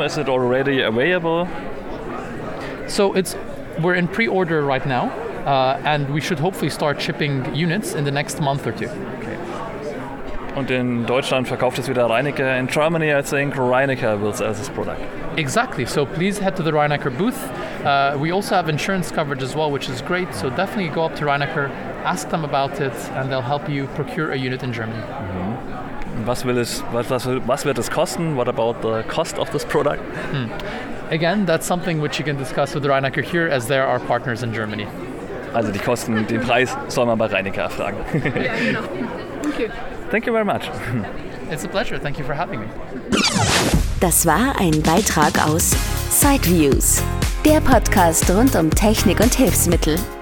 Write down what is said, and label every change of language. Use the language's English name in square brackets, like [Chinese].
[English] Is it already available? So it's we're in pre-order right now. And we should hopefully start shipping units in the next month or two. Okay. [German] Und in Deutschland verkauft es wieder Reinecker. [English] In Germany, I think Reinecker will sell this product. Exactly. So please head to the Reinecker booth. We also have insurance coverage as well, which is great. So definitely go up to Reinecker, ask them about it, and they'll help you procure a unit in Germany. [German] Mm-hmm. Was will es? Was wird es kosten? [English] What about the cost of this product? Again, that's something which you can discuss with Reinecker here, as they're our partners in Germany. [German] Also die Kosten, den Preis soll man bei Reinecker fragen. [English] Okay. Thank you very much. It's a pleasure. Thank you for having me. [German] Das war ein Beitrag aus Sideviews, der Podcast rund um Technik und Hilfsmittel.